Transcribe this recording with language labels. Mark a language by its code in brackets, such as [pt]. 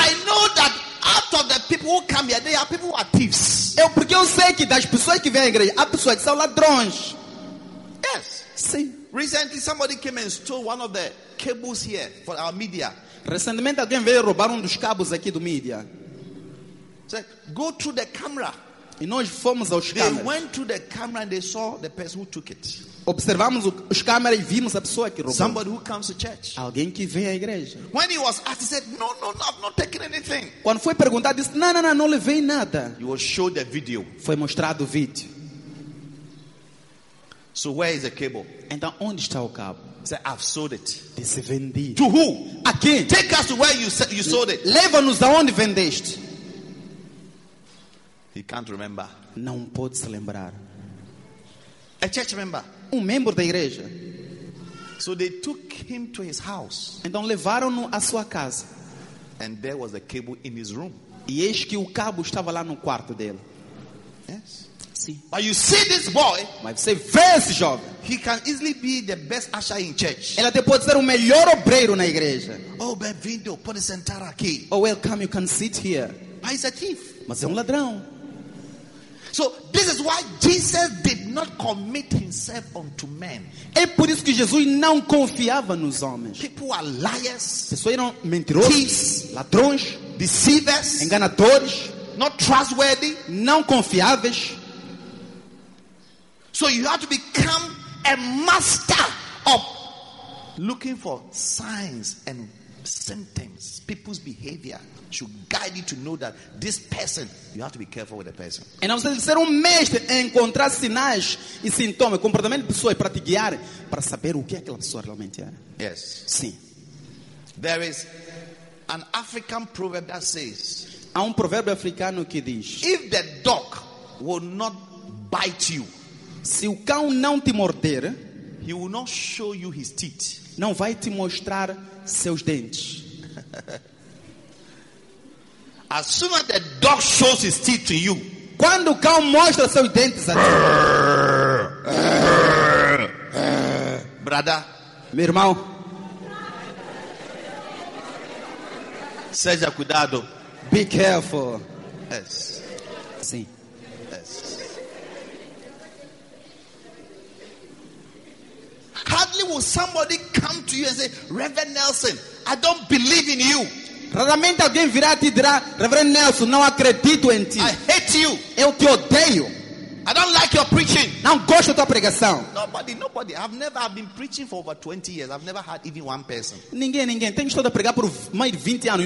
[en] I know that out of the people who come here, there are people who are thieves. [pt] Porque eu sei que das pessoas que vêm à igreja, há pessoas que são ladrões. [en] Yes. [pt] Sim. [en] Recently, somebody came and stole one of the cables here for our media. [pt] Recentemente, alguém veio roubar dos cabos aqui do mídia. [en] Said, go through the camera. [pt] E nós fomos aos [en] cameras. They went through the camera and they saw the person who took it. [pt] Observamos os câmeras e vimos a pessoa que roubou. [en] Somebody who comes to church. [pt] Alguém que vem à igreja. [en] When he was asked, he said, no, I've not taken anything. [pt] Quando foi perguntado, disse, não, não levei nada. [en] He was showed the video. [pt] Foi mostrado o vídeo. [en] So where is the cable? [pt] Então onde está o cabo? [en] Said, I've sold it. [pt] Disse, vendi. [en] To who? [pt] A quem? [en] Take us to where you sold it. [pt] Leva-nos aonde vendeste. [en] He can't remember. [pt] Não pode se lembrar. [en] A church member. [pt] Membro da igreja. [en] So they took him to his house. [pt] Então levaram-no à sua casa. [en] And there was a cable in his room. [pt] E eis que o cabo estava lá no quarto dele. [en] Yes. [pt] Sim. [en] But you see this boy. [pt] Mas você vê esse jovem. [en] He can easily be the best usher in church. [pt] Ele até pode ser o melhor obreiro na igreja. Oh, bem-vindo, pode sentar aqui. [en] Oh, welcome, you can sit here. But he's a thief. [pt] Mas é ladrão. [en] So this is why Jesus did not commit himself unto men. [pt] É por isso que Jesus não confiava nos homens. [en] People are liars. [pt] Pessoas eram mentirosos. [en] Thieves, [pt] ladrões. [en] Deceivers. [pt] Enganadores. [en] Not trustworthy. [pt] Não confiáveis. [en] So you have to become a master of looking for signs and symptoms. People's behavior should guide you to know that this person, you have to be careful with the person. [pt] E não precisa ser mestre em encontrar sinais e sintomas, comportamento de pessoas para te guiar, para saber o que aquela pessoa realmente é. [en] Yes. [pt] Sim. [en] There is an African proverb that says, [pt] há provérbio africano que diz, [en] if the dog will not bite you, [pt] se o cão não te morder, [en] he will not show you his teeth. [pt] Não vai te mostrar seus dentes. [en] As soon as the dog shows his teeth to you, [pt] quando o cão mostra seus dentes a ti, [en] brother. [pt] Meu irmão. Seja cuidado. [en] Be careful. Yes. [pt] Sim. [en] Yes. Hardly will somebody come to you and say, Reverend Nelson, I don't believe in you. [pt] Raramente alguém virá te dirá, Reverend Nelson, não acredito em ti. [en] I hate you. [pt] Eu te odeio. [en] I don't like your preaching. [pt] Não gosto da tua pregação. [en] Nobody. I've been preaching for over 20 years. I've never had even one person. [pt] Ninguém. Tenho estado a pregar por mais de 20 anos.